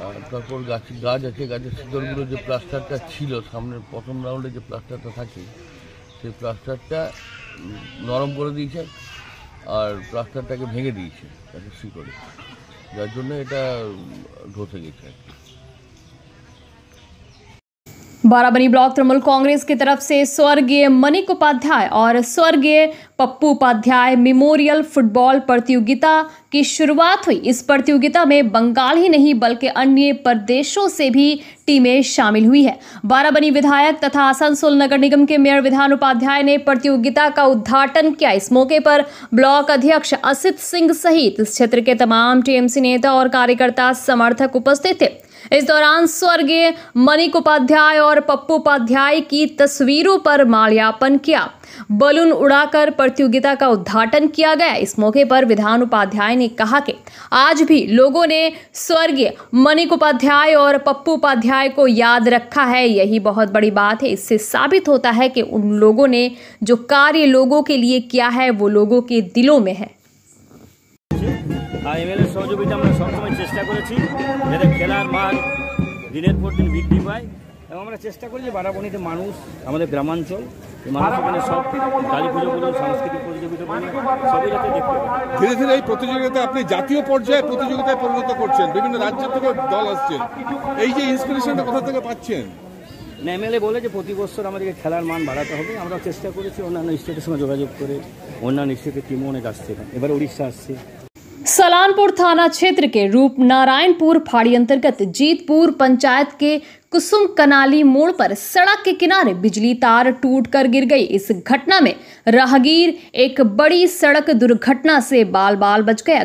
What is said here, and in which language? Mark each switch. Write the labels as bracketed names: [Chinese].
[Bangla] তারপর গাছ আছে, গাছের শিকড়গুলো যে প্লাস্টারটা ছিল সামনের প্রথম রাউন্ডে যে প্লাস্টারটা থাকে সেই প্লাস্টারটা নরম করে দিয়েছে আর প্লাস্টারটাকে ভেঙে দিয়েছে গাছের শিকড়ে, যার জন্য এটা ধুতে গেছে। [Hindi] बाराबनी ब्लॉक तृणमूल कांग्रेस की तरफ से स्वर्गीय मनिक उपाध्याय और स्वर्गीय पप्पू उपाध्याय मेमोरियल फुटबॉल प्रतियोगिता की शुरुआत हुई। इस प्रतियोगिता में बंगाल ही नहीं बल्कि अन्य प्रदेशों से भी टीमें शामिल हुई है। बाराबनी विधायक तथा आसनसोल नगर निगम के मेयर विधान उपाध्याय ने प्रतियोगिता का उद्घाटन किया। इस मौके पर ब्लॉक अध्यक्ष असित सिंह सहित इस क्षेत्र के तमाम टीएमसी नेता और कार्यकर्ता समर्थक उपस्थित थे। इस दौरान स्वर्गीय मनिक उपाध्याय और पप्पू उपाध्याय की तस्वीरों पर माल्यार्पण किया, बलून उड़ाकर प्रतियोगिता का उद्घाटन किया गया। इस मौके पर विधान उपाध्याय ने कहा कि आज भी लोगों ने स्वर्गीय मनिक उपाध्याय और पप्पू उपाध्याय को याद रखा है, यही बहुत बड़ी बात है। इससे साबित होता है कि उन लोगों ने जो कार्य लोगों के लिए किया है वो लोगों के दिलों में है। [Bangla] এমএলএ সহযোগিতা আমরা সবসময় চেষ্টা করেছি যাতে খেলার মান দিনের পর দিন বৃদ্ধি পায় এবং আমরা চেষ্টা করি যে বারাবণীতে মানুষ আমাদের গ্রামাঞ্চল মানুষ সব কালী পুজো বলুন সাংস্কৃতিক প্রতিযোগিতা সবই যাতে দেখতে পায়। ধীরে ধীরে এই প্রতিযোগিতা আপনি জাতীয় পর্যায়ে প্রতিযোগিতায় পরিণত করছেন, বিভিন্ন রাজ্য থেকে দল আসছেন, এই যে ইন্সপিরেশনটা কোথা থেকে পাচ্ছেন? না এমএলএ বলে যে প্রতি বছর আমাদেরকে খেলার মান বাড়াতে হবে, আমরা চেষ্টা করেছি অন্যান্য স্টেটের সঙ্গে যোগাযোগ করে, অন্যান্য স্টেটের টিমও অনেক আসছে, এবার উড়িষ্যা আসছে। [Hindi] सलानपुर थाना क्षेत्र के रूप नारायणपुर फाड़ी अंतर्गत जीतपुर पंचायत के कुसुम कनाली मोड़ पर सड़क के किनारे बिजली तार टूट कर गिर गई। इस घटना में राहगीर एक बड़ी सड़क दुर्घटना से बाल बाल बच गया।